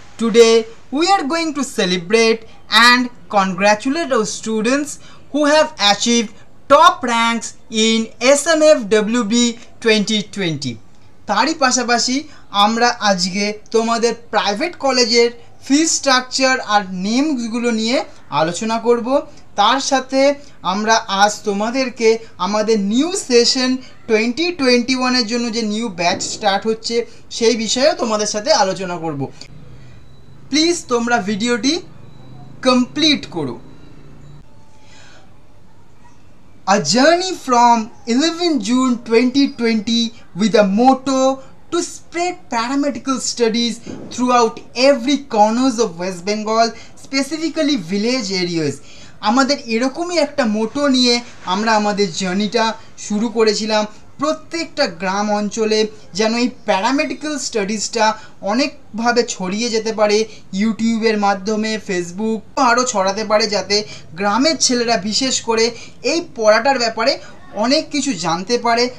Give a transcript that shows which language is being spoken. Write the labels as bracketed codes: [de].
[en] Today we are going to celebrate and congratulate our students who have achieved top ranks in Smfwb 2020. [bn] Tari pashapashi amra ajke tomader private college er fee structure ar names gulo niye alochona korbo. তার সাথে আমরা আজ তোমাদেরকে আমাদের new session 2021 এর জন্য যে new batch start হচ্ছে সেই বিষয়ে তোমাদের সাথে আলোচনা করব। প্লিজ তোমরা ভিডিওটি কমপ্লিট করো। [en] A journey from 11 June 2020 with a motto to spread paramedical studies throughout every corners of West Bengal, specifically village areas. [bn] আমাদের এরকমই একটা মোটো নিয়ে আমরা আমাদের জার্নিটা শুরু করেছিলাম, প্রত্যেকটা গ্রাম অঞ্চলে যেন এই প্যারামেডিকেল স্টাডিজটা অনেকভাবে ছড়িয়ে যেতে পারে, ইউটিউবের মাধ্যমে, ফেসবুক আরও ছড়াতে পারে, যাতে গ্রামের ছেলেরা বিশেষ করে এই পড়াটার ব্যাপারে অনেক কিছু জানতে পারে।